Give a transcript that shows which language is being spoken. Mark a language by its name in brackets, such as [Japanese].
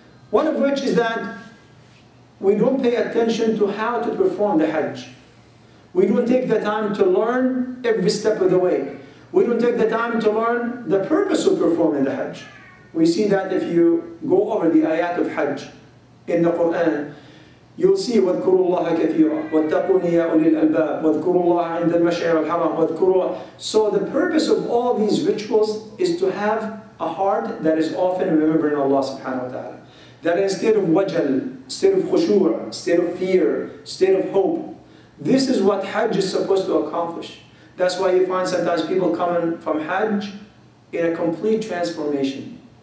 [English] One of which is that we don't pay attention to how to perform the Hajj. We don't take the time to learn every step of the way. We don't take the time to learn the purpose of performing the Hajj. We see that if you go over the ayat of Hajj in the Quran, [Arabic] You'll see وَذْكُرُوا اللَّهَ كَثِيرًا وَاتَّقُونِ يَا أُولِي الْأَلْبَابِ وَذْكُرُوا اللَّهَ عِنْدَ الْمَشْعِرِ الْحَرَامِ وَذْكُرُوا. [English] So the purpose of all these rituals is to have a heart that is often remembering Allah subhanahu wa ta'ala. That instead of wajal, instead of khushu', instead of fear, instead of hope, this is what Hajj is supposed to accomplish. That's why you find sometimes people coming from Hajj in a complete transformation.